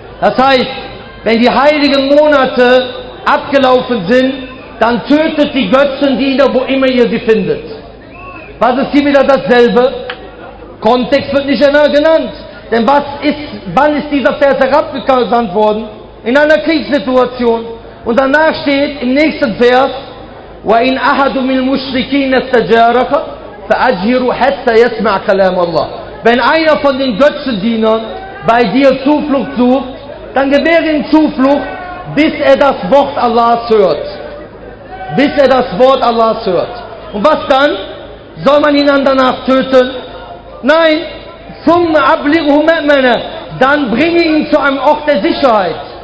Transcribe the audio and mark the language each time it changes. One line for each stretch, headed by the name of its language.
German: Das heißt, wenn die heiligen Monate abgelaufen sind, dann tötet die Götzendiener, wo immer ihr sie findet. Was ist hier wieder dasselbe? Kontext wird nicht immer genannt. Denn wann ist dieser Vers herabgesandt worden? In einer Kriegssituation. Und danach steht im nächsten Vers,
Arabic: وَإِنْ أَحَدُ مِنْ الْمُشْرِكِينَ اسْتَجَارَكَ فَأَجْهِرُ حَتَّى يَسْمَعْ كَلَامَ اللَّهِ.
German: Wenn einer von den Götzendienern bei dir Zuflucht sucht, dann gewähre ihm Zuflucht, bis er das Wort Allahs hört. Bis er das Wort Allahs hört. Und was dann? Soll man ihn dann danach töten? Nein. Dann bringe ihn zu einem Ort der Sicherheit.